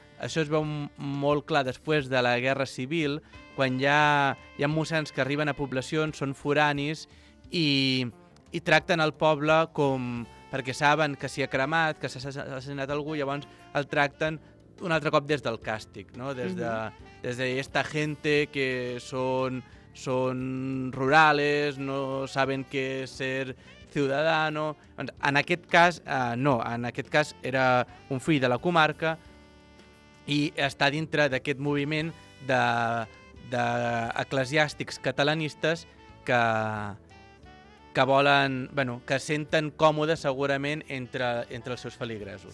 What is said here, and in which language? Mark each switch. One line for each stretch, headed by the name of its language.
Catalan: Això es veu molt clar després de la Guerra Civil, quan hi ha mossèns que arriben a poblacions, són foranis, i tracten el poble com, perquè saben que s'hi ha cremat, que s'ha assassinat algú, llavors el tracten un altre cop des del càstig, no?
Spanish: Des de esta gente que son rurales, no saben qué es ser ciudadano.
Catalan: En aquest cas, no, en aquest cas era un fill de la comarca i està dintre d'aquest moviment d'eclesiàstics catalanistes que volen, bueno, que senten còmode segurament entre els seus feligresos.